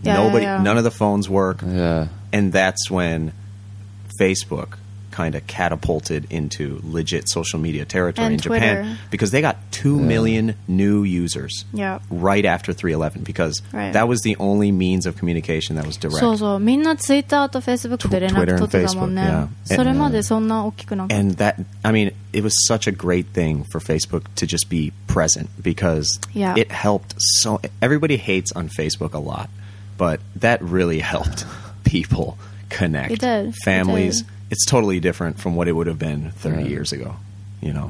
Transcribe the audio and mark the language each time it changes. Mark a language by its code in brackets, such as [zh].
[en] None of the phones work. Yeah. And that's when Facebook... kind of catapulted into legit social media territory and in Japan because they got 2 million new users right after 3/11 because that was the only means of communication that was direct. [ja] So みんなツイッターとフェイスブックで連絡取ってたもんね。それまでそんな大きくなかった。 [en] And that, I mean, it was such a great thing for Facebook to just be present because it helped so... Everybody hates on Facebook a lot, but that really helped people connect. It did. Families... It's totally different from what it would have been 30 years ago, you know?